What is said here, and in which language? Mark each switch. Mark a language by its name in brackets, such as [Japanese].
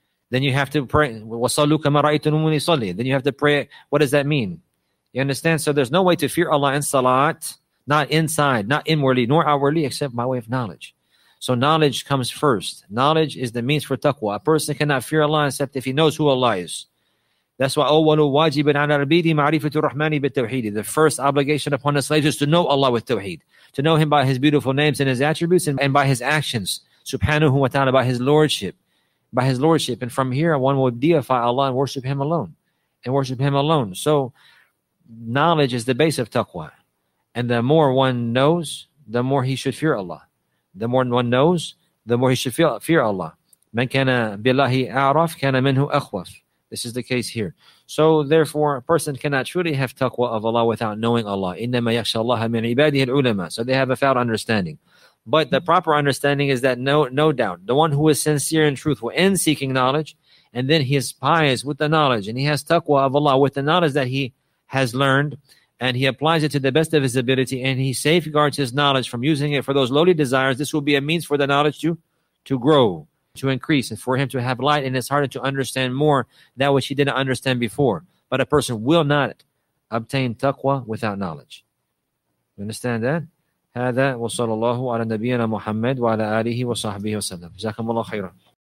[English] Then you have to pray, [Arabic] وَصَلُّوا كَمَا رَأَيْتُمُونِي يُصَلِّي. [English] Then you have to pray, what does that mean? You understand? So there's no way to fear Allah in salat, not inside, not inwardly, nor outwardly, except by way of knowledge. So knowledge comes first. Knowledge is the means for taqwa. A person cannot fear Allah except if he knows who Allah is. That's why, [Arabic] أَوَّلُوا وَاجِبٌ عَلَى الْعَبِيدِ مَعْرِفَةُ الرَّحْمَنِ بِالتَّوْحِيدِ. [English] The first obligation upon the slaves is to know Allah with tawheed, to know him by his beautiful names and his attributes and by his actions, subhanahu wa ta'ala, by his lordship. By his lordship. And from here one will deify Allah and worship him alone. And worship him alone. So knowledge is the base of taqwa. And the more one knows, the more he should fear Allah. The more one knows, the more he should fear Allah. [Arabic] من كان بالله أعرف كان منه أخوف. [English] This is the case here. So therefore, a person cannot truly have taqwa of Allah without knowing Allah. [Arabic] إِنَّمَا يَخْشَى اللَّهَ مِنْ عِبَادِهِ الْعُلَمَى. [English] So they have a foul understanding. But the proper understanding is that no doubt, the one who is sincere and truthful in seeking knowledge, and then he is pious with the knowledge, and he has taqwa of Allah with the knowledge that he has learned, and he applies it to the best of his ability, and he safeguards his knowledge from using it for those lowly desires, this will be a means for the knowledge to grow, to increase, and for him to have light in his heart and to understand more that which he didn't understand before. But a person will not obtain taqwa without knowledge. You understand that? [Arabic] هذا وصلى الله على نبينا محمد وعلى آله وصحبه وسلم. جزاكم الله خيرا.